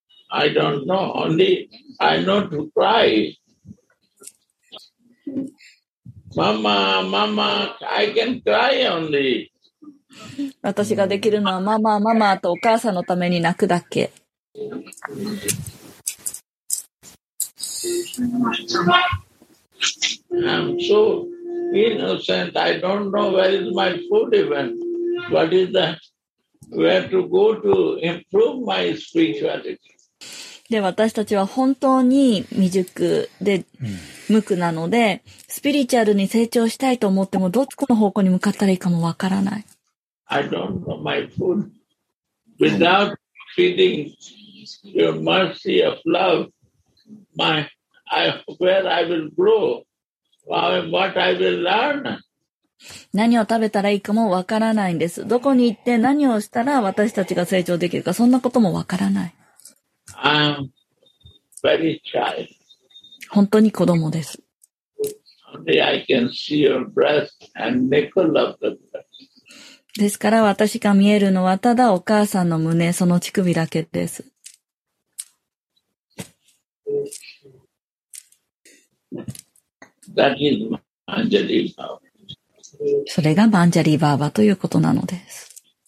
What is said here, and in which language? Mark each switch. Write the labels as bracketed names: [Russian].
[English] I don't know, only I know to cry. ママ、ママ、I can cry only. [Japanese] 私ができるのはママ、ママとお母さんのために泣くだけ。 [English] I'm so innocent. I don't know where is my food even. What is that? Where to go to improve my spirituality? [Japanese] で私たちは本当に未熟で無垢なので、スピリチュアルに成長したいと思ってもどっちの方向に向かったらいいかもわからない。 [English] I don't know my food. Without feeding your mercy of love, where I will grow, what I will learn. [Japanese] 何を食べたらいいかもわからないんです。どこに行って何をしたら私たちが成長できるか、そんなこともわからない。 [English] I'm very child. [Japanese] 本当に子供です。 [English] I can see your breast and nipple of the breast. [Japanese] ですから私が見えるのはただお母さんの胸、その乳首だけです。 [English] That is Manjari Bhava. [Japanese] それがマンジャリーバーバということなのです。